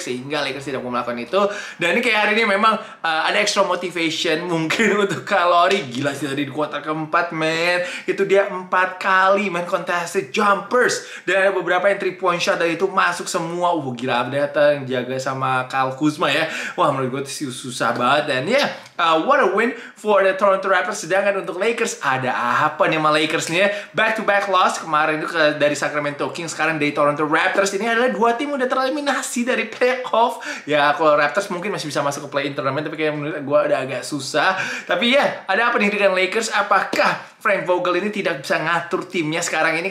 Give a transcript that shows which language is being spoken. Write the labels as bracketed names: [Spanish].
[Indonesian] Sehingga Lakers tidak mau melakukan itu. Dan ini kayak hari ini memang ada [English] extra motivation [Indonesian] mungkin untuk Kalori. Gila sih tadi di kuarter keempat, man. Itu dia 4 kali main [English] contested jumpers. [Indonesian] Dan ada beberapa yang 3 point shot dan itu masuk semua. Wah, gila datang jaga sama Kyle Kuzma ya. Wah, menurut gue sih susah banget. Dan ya, [English] what a win for the Toronto Raptors. [Indonesian] Sedangkan untuk Lakers, ada apa nih sama Lakers nih ya? [English] Back-to-back loss [Indonesian] kemarin itu dari Sacramento Kings, sekarang dari Toronto Raptors. Ini adalah dua tim udah tereliminasi dari playoff. Ya, kalau Raptors mungkin masih bisa masuk ke play-in tournament, tapi kayak menurut gue udah agak susah. Tapi ya, ada apa nih dengan Lakers? Apakah Frank Vogel ini tidak bisa ngatur timnya sekarang ini?